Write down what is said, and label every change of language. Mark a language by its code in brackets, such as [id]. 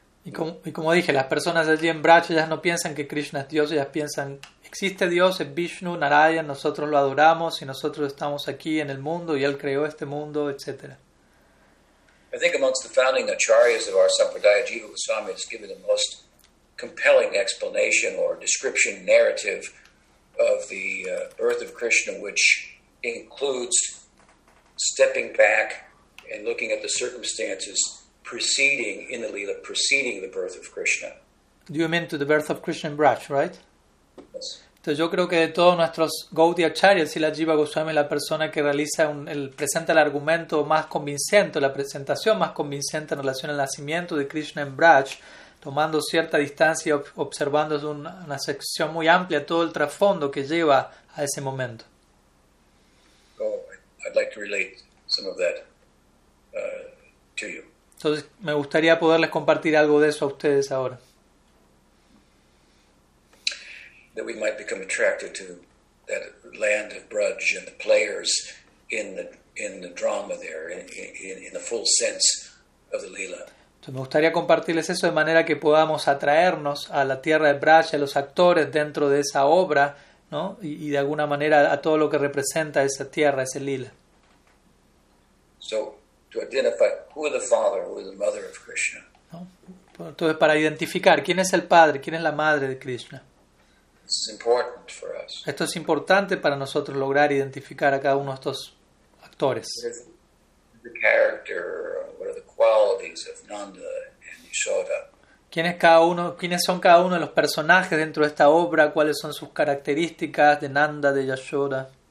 [es] Y como dije, las personas allí en Braj ya no piensan que Krishna es Dios, ellas piensan, existe Dios, es Vishnu, Narayan, nosotros lo adoramos y nosotros estamos aquí en el mundo y Él creó este mundo, etc. [en] I think amongst the founding acharyas of our Sampradaya, Jiva Goswami has given the most compelling explanation or description narrative of the birth of Krishna, which includes stepping back and looking at the circumstances preceding, in the Leela, preceding the birth of Krishna. Do you mean to the birth of Krishna in Braj, right? Yes. [es] Entonces yo creo que de todos nuestros Gaudiya Acharya, Sila Jiva Goswami es la persona que realiza presenta el argumento más convincente, la presentación más convincente en relación al nacimiento de Krishna en Braj, tomando cierta distancia y observando una sección muy amplia todo el trasfondo que lleva a ese momento. [en] Oh, I'd like to relate some of that to you. [es] Entonces me gustaría poderles compartir algo de eso a ustedes ahora. [en] That we might become attracted to that land of Braj and the players in the drama there, in the full sense of the Leela. [es] Entonces me gustaría compartirles eso de manera que podamos atraernos a la tierra de Braj, a los actores dentro de esa obra, ¿no? Y de alguna manera a todo lo que representa esa tierra, ese Leela. [en] So, to identify who is the father, who is the mother of Krishna. [es] ¿No? Entonces, para identificar quién es el padre, quién es la madre de Krishna. [en] This is important for us. [es] Esto es importante para nosotros lograr identificar a cada uno de estos actores. [en] The character, what are the qualities of Nanda and Yashoda? [es] ¿Quiénes son cada uno de los personajes dentro de esta obra? ¿Cuáles son sus características de Nanda, de Yashoda?